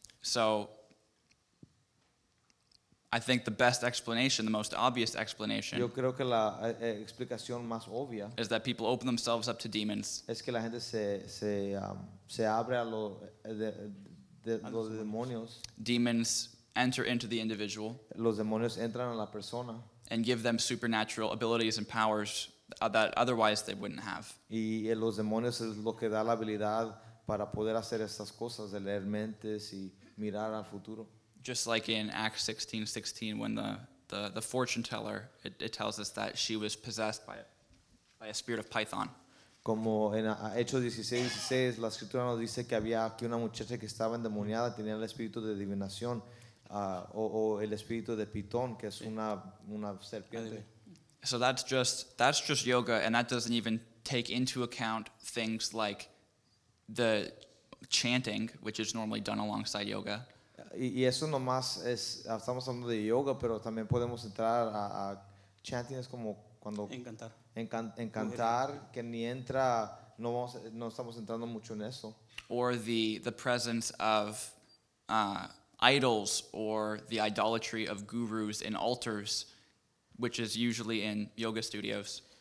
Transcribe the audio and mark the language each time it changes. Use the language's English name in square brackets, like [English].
[English] So I think the best explanation, the most obvious explanation, [Spanish] yo creo que la explicación más obvia, [English] is that people open themselves up to demons. [Spanish] Es que la gente se abre a los demonios. [English] Demons enter into the individual. [Spanish] Los demonios entran a la persona. [English] And give them supernatural abilities and powers that otherwise they wouldn't have. [Spanish] Y los demonios es lo que da la habilidad para poder hacer estas cosas, de leer mentes y mirar al futuro. [English] Just like in Acts 16:16, when the fortune teller, it tells us that she was possessed by a spirit of Python. [Spanish] Como en Hechos 16:16, la escritura nos dice que había aquí una muchacha que estaba endemoniada, tenía el espíritu de adivinación, o el espíritu de Pitón, que es una serpiente. [English] So that's just yoga, and that doesn't even take into account things like the chanting, which is normally done alongside yoga. [Spanish] Y eso nomás es, estamos hablando de yoga, pero también podemos entrar a chanting, es como cuando encantar que ni entra, no estamos entrando mucho en eso. [English] Or the presence of idols, or the idolatry of gurus in altars, which is usually in yoga studios.